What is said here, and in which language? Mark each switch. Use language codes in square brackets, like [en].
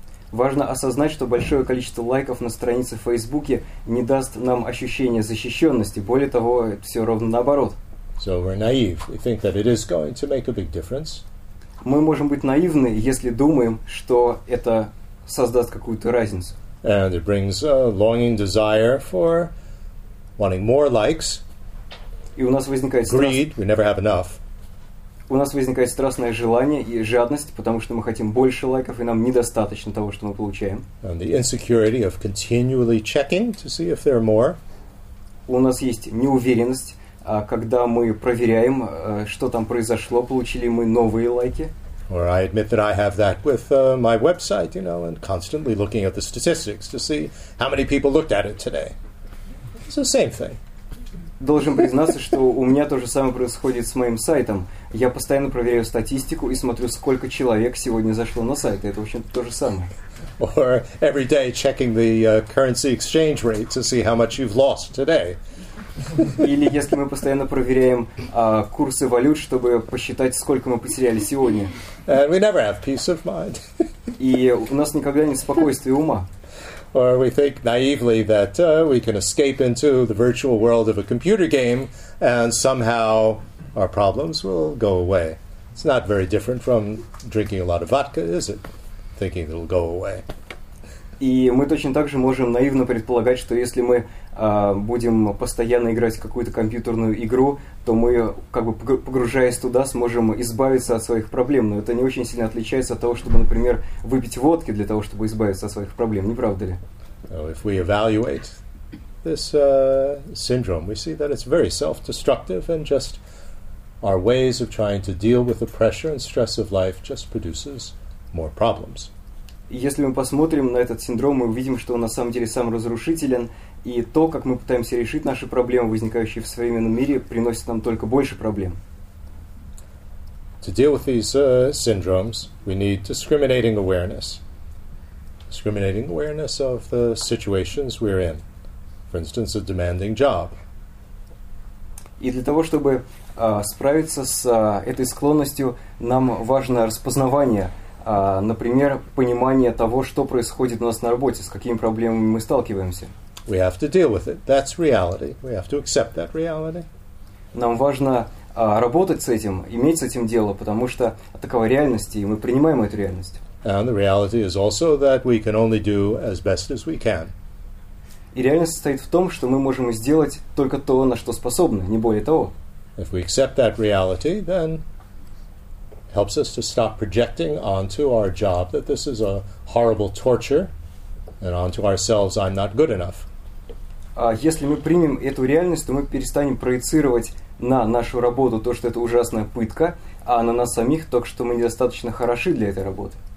[ru] Важно осознать, что большое количество лайков на странице в Фейсбуке не даст нам ощущения защищенности. Более того, это все ровно наоборот. [en] So we're naive. We think that it is going to make a big difference. [ru] Мы можем быть наивны, если думаем, что это создаст какую-то разницу. [en] And it brings a longing desire for wanting more likes. [ru] И у нас возникает [en] greed. We never have enough. [ru] У нас возникает страстное желание и жадность, потому что мы хотим больше лайков, и нам недостаточно того, что мы получаем. [en] And the insecurity of continually checking to see if there are more. [ru] У нас есть неуверенность, когда мы проверяем, что там произошло, получили мы новые лайки. [en] Or I admit that I have that with my website, you know, and constantly looking at the statistics to see how many people looked at it today. It's the same thing. [ru] Должен признаться, что у меня то же самое происходит с моим сайтом. Я постоянно проверяю статистику и смотрю, сколько человек сегодня зашло на сайт. Это, в общем-то, то же самое. [en] or every day checking the currency exchange rate to see how much you've lost today. [ru] Или если мы постоянно проверяем курсы валют, чтобы посчитать, сколько мы потеряли сегодня. [en] And we never have peace of mind. [ru] И у нас никогда нет спокойствия ума. [en] Or we think naively that we can escape into the virtual world of a computer game and somehow our problems will go away. It's not very different from drinking a lot of vodka, is it? Thinking it'll go away. [ru] И мы точно так же можем наивно предполагать, что если мы будем постоянно играть в какую-то компьютерную игру, то мы, как бы погружаясь туда, сможем избавиться от своих проблем. Но это не очень сильно отличается от того, чтобы, например, выпить водки для того, чтобы избавиться от своих проблем, не правда ли? [en] If we evaluate this syndrome, we see that it's very self-destructive and just our ways of trying to deal with the pressure and stress of life just produces more problems. [ru] Если мы посмотрим на этот синдром, мы увидим, что он на самом деле саморазрушителен, и то, как мы пытаемся решить наши проблемы, возникающие в современном мире, приносит нам только больше проблем. [en] To deal with these syndromes, we need discriminating awareness. Discriminating awareness of the situations we're in. For instance, a demanding job. [ru] И для того, чтобы справиться с этой склонностью, нам важно распознавание. Например, понимание того, что происходит у нас на работе, с какими проблемами мы сталкиваемся. [en] We have to deal with it. That's reality. We have to accept that reality. [ru] Нам важно работать с этим, иметь с этим дело, потому что такова реальность, и мы принимаем эту реальность. [en] And the reality is also that we can only do as best as we can. [ru] И реальность состоит в том, что мы можем сделать только то, на что способны, не более того. [en] If we accept that reality, then helps us to stop projecting onto our job that this is a horrible torture, and onto ourselves, I'm not good enough. [ru] Если мы примем эту реальность, то мы перестанем проецировать на нашу работу то, что это ужасная пытка, а на нас самих то, что мы недостаточно хороши для этой работы.